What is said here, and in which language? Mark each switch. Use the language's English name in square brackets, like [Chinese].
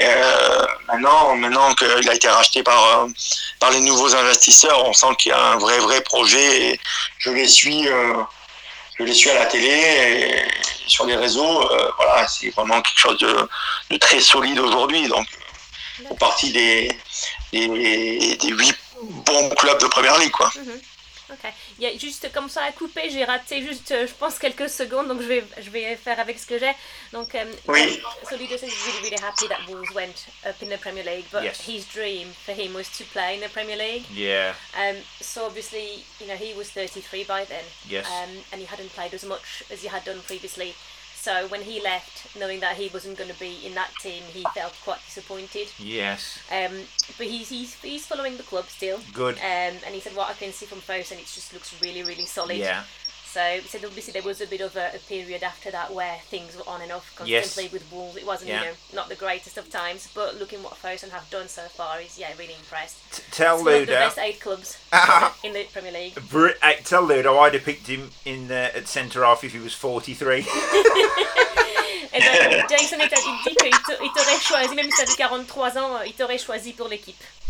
[French] Et maintenant qu'il a été racheté par les nouveaux investisseurs, on sent qu'il y a un vrai projet et je les suis à la télé et sur les réseaux, voilà, c'est vraiment quelque chose de très solide aujourd'hui. Donc, au parti des 8 bons clubs de Première Ligue, quoi. Mm-hmm. Ok. Il y a juste comme ça à couper, j'ai raté juste, je pense, quelques secondes, donc je vais faire avec ce que j'ai. [English] Donc, Ludo says he's really, really happy that Wolves went up in the Premier League, but his dream for him was to play in the Premier League. Yeah. So obviously, you know, he was 33 by then. Yes. And he hadn't played as much as he had done previously. So when he left, knowing that he wasn't going to be in that team, he felt quite disappointed. Yes. But he's following the club still. Good. And he said, what I can see from Fosun, and it just looks really, really solid. Yeah. So he said, obviously, there was a bit of a period after that where things were on and off constantly with Wolves. It wasn't, you know, not the greatest of times. But looking what Fosun have done so far, he's, really impressed. Tell Ludo. One of the best 8 clubs in the Premier League. Tell Ludo, I'd have picked him in at centre-half if he was 43. [French] Et donc, Jason a dit qu'il t'aurait choisi, même si tu avais 43 ans, il t'aurait choisi pour l'équipe.